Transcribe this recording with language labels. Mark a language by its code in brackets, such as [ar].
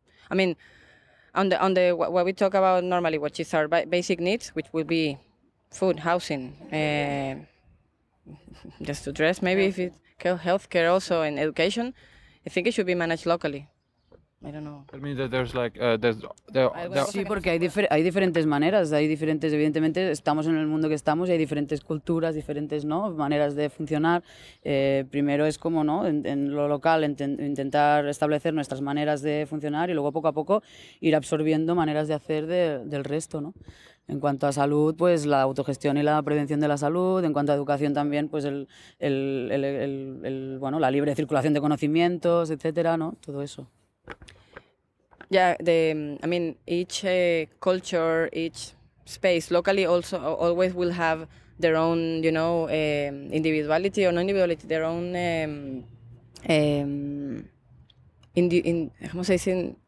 [en] I mean, on the what we talk about normally, which is our basic needs, which will be food, housing, just to dress, maybe, yeah. If it's healthcare also and education, I think it should be managed locally. I don't know. I mean that there's like there's [es] sí, porque hay diferentes maneras, hay diferentes, evidentemente estamos en el mundo que estamos y hay diferentes culturas, diferentes, ¿no?, maneras de funcionar. Primero es como, ¿no?, en lo local intentar establecer nuestras maneras de funcionar y luego poco a poco ir absorbiendo maneras de hacer del resto, ¿no? En cuanto a salud, pues la autogestión y la prevención de la salud. En cuanto a educación también, pues bueno, la libre circulación de conocimientos, etcétera, ¿no? Todo eso. [en] Yeah, each culture, each space locally also always will have their own, you know, individuality or non-individuality, their own [es] ¿cómo se dice?